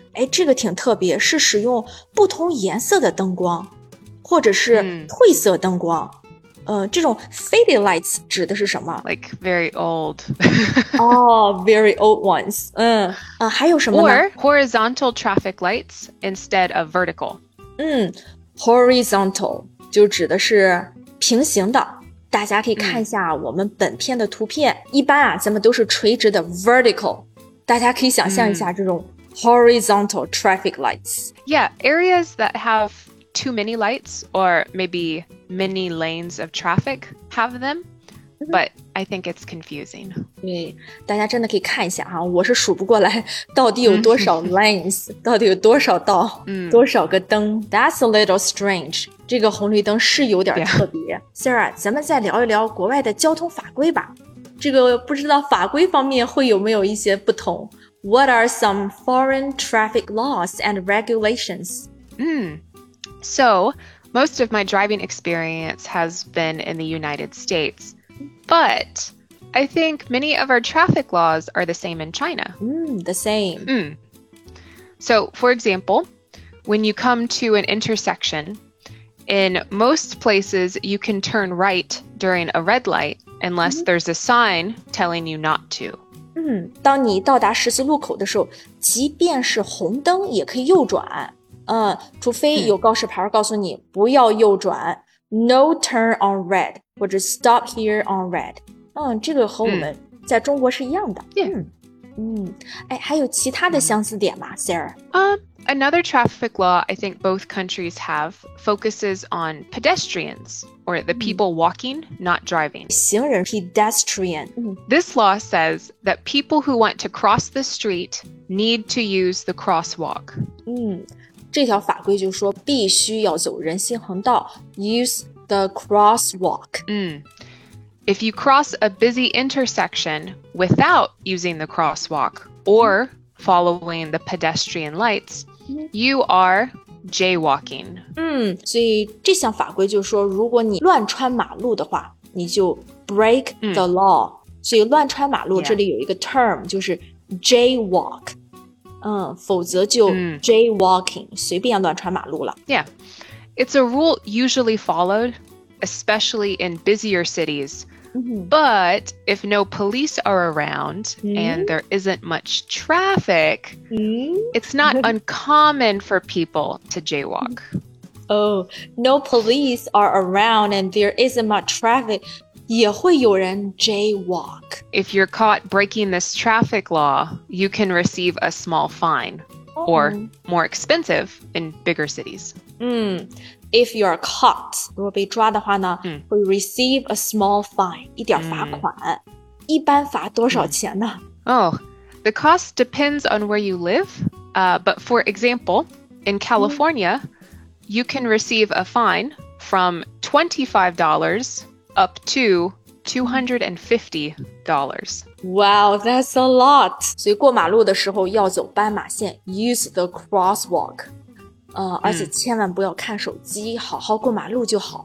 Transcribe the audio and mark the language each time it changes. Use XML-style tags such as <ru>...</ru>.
<zh>这个挺特别，是使用不同颜色的灯光，或者是褪色灯光。这种 faded lights 指的是什么？</zh> <en>Like very old. Oh, very old ones.</en> <zh>还有什么呢？</zh> <en>Or horizontal traffic lights instead of vertical.</en> <zh>Horizontal 就指的是平行的。大家可以看一下我们本片的图片、一般啊咱们都是垂直的 vertical, 大家可以想象一下这种 horizontal traffic lights.</zh> <en>Yeah, areas that have too many lights or maybe many lanes of traffic have them, but I think it's confusing.</en> <zh>大家真的可以看一下我是数不过来到底有多少 lanes, 到底有多少道、多少个灯。</zh> <en>That's a little strange.</en> <zh>这个红绿灯是有点特别、Sarah, 咱们再聊一聊国外的交通法规吧。这个不知道法规方面会有没有一些不同。</zh> <en>What are some foreign traffic laws and regulations? So, most of my driving experience has been in the United States. But, I think many of our traffic laws are the same in China. The same. Mm. So, for example, when you come to an intersection, in most places you can turn right during a red light unless there's a sign telling you not to.</en> <zh>当你到达十字路口的时候，即便是红灯也可以右转。除非有告示牌告诉你不要右转。</zh> <en>No turn on red, 或者 stop here on red.</en> <zh>这个和我们在中国是一样的。还有其他的相似点吗 ,Sarah?</zh> <en>Another traffic law I think both countries have focuses on pedestrians, or the people walking, not driving.</en> <zh>行人 pedestrian.</zh> <en>This law says that people who want to cross the street need to use the crosswalk.</en> <zh>这条法规就说必须要走人行横道</zh> <en>use the crosswalk. If you cross a busy intersection without using the crosswalk or following the pedestrian lights, you are jaywalking.</en> <zh>所以这项法规就说如果你乱穿马路的话你就</zh> <en>break the law.</en> <zh>所以乱穿马路这里有一个 term 就是 jaywalk. 否则就 jaywalking, 随便乱穿马路了。</zh> <en>Yeah, it's a rule usually followed, especially in busier cities. But if no police are around and there isn't much traffic, it's not uncommon for people to jaywalk. Oh, no police are around and there isn't much traffic,</en> <zh>也会有人</zh> <en>jaywalk. If you're caught breaking this traffic law, you can receive a small fine, or more expensive in bigger cities. If you're caught,</en> <zh>如果被抓的话呢会</zh> <en>receive a small fine,</en> <zh>一点罚款。一般罚多少钱呢</zh> <en>The cost depends on where you live, but for example, in California, you can receive a fine from $25 up to $250. Wow, that's a lot.</en> <zh>所以过马路的时候要走斑马线</zh> <en>use the crosswalk.</en> <zh>而且千万不要看手机好好过马路就好。</zh>